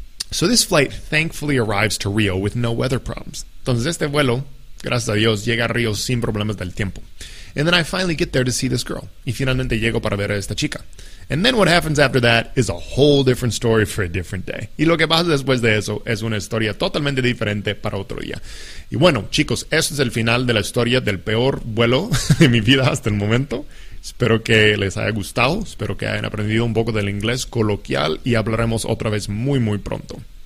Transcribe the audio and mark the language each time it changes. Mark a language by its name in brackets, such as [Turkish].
[English] So this flight thankfully arrives to Rio with no weather problems. [Spanish] Entonces este vuelo, gracias a Dios, llega a Rio sin problemas del tiempo. [English] And then I finally get there to see this girl. [Spanish] Y finalmente llego para ver a esta chica. [English] And then what happens after that is a whole different story for a different day. [Spanish] Y lo que pasa después de eso es una historia totalmente diferente para otro día. Y bueno, chicos, eso es el final de la historia del peor vuelo de mi vida hasta el momento. Espero que les haya gustado. Espero que hayan aprendido un poco del inglés coloquial. Y hablaremos otra vez muy, muy pronto.